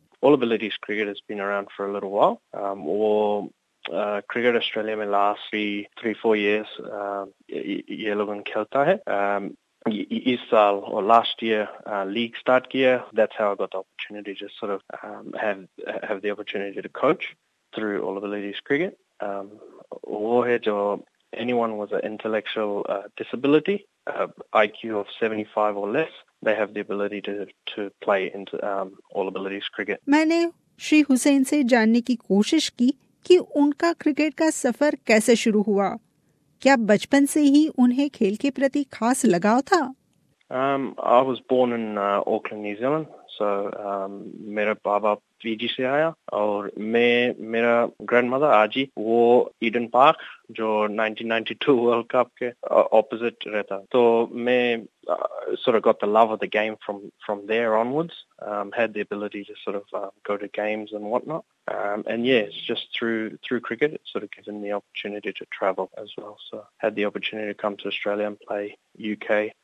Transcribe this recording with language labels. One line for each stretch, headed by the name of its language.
English: All abilities cricket has been around for a little while. वो cricket Australia में last three four years
Hindi: ये लोगों खेलता है। इस साल और लास्ट ईयर लीग स्टार्ट किया।
English: That's how I got the opportunity just sort of have the opportunity to coach through all abilities cricket.
Hindi: वो है जो
English: anyone with an intellectual disability, IQ of 75 or less, they have the ability to play in all abilities cricket.
Hindi: मैंने श्री हुसैन से जानने की कोशिश की कि उनका क्रिकेट का सफर कैसे शुरू हुआ, क्या बचपन से ही उन्हें खेल के प्रति खास लगाव था।
English: I was born in Auckland, New Zealand.
Hindi: So, मेरे बाबा फिजी से आया और मेरा ग्रैंडमदर आजी वो ईडन पार्क जो 1992 वर्ल्ड कप के ऑपोजिट रहता, तो मैं
English: sort of got the love of the game from there onwards. Had the ability to sort of go to games and whatnot. And yeah, it's just through cricket it's sort of given the opportunity to travel as well. So had the opportunity to come to Australia and play UK.